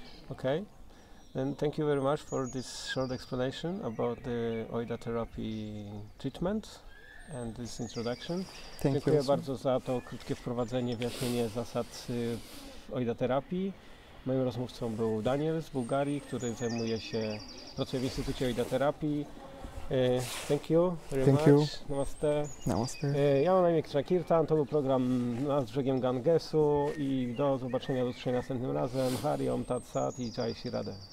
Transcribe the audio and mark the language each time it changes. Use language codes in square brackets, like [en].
[en] Okay. Then thank you very much for this short explanation about the OIDA therapy treatment and this introduction. Thank [pl] Dziękuję [en] you [pl] bardzo za to krótkie wprowadzenie, wyjaśnienie zasad OIDA terapii. Moim rozmówcą był Daniel z Bułgarii, który zajmuje się, pracuje w Instytucie OIDA Therapy. [en] Thank you very thank much. You. [hi] Namaste. Namaste. [pl] Ja mam na imię Krishnakirtan, to był program Nad brzegiem Gangesu i do zobaczenia, do usłyszenia następnym razem. [sa] Hari Om Tat Sat [pl] i Jai Shri Radhe.